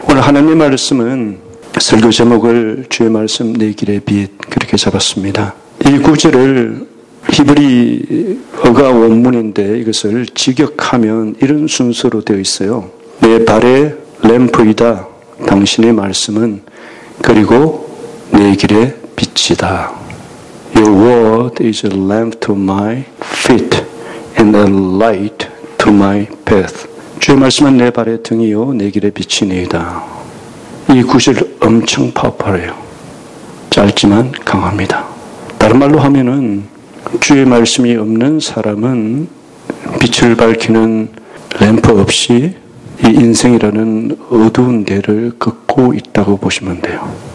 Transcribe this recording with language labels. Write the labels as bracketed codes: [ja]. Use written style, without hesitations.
[ko] 오늘 하나님의 말씀은 설교 제목을 주의 말씀 내 길의 빛 그렇게 잡았습니다. 이 구절을 히브리 어가 원문인데 이것을 직역하면 이런 순서로 되어 있어요. 내 발의 램프이다. 당신의 말씀은 그리고 내 길의 빛이다. [en] Your word is a lamp to my feet and a light to my path. [ko] 주의 말씀은 내 발의 등이요 내 길의 빛이니이다. 이 구절 엄청 파워풀해요. 짧지만 강합니다. 다른 말로 하면은 주의 말씀이 없는 사람은 빛을 밝히는 램프 없이 이 인생이라는 어두운 데를 걷고 있다고 보시면 돼요.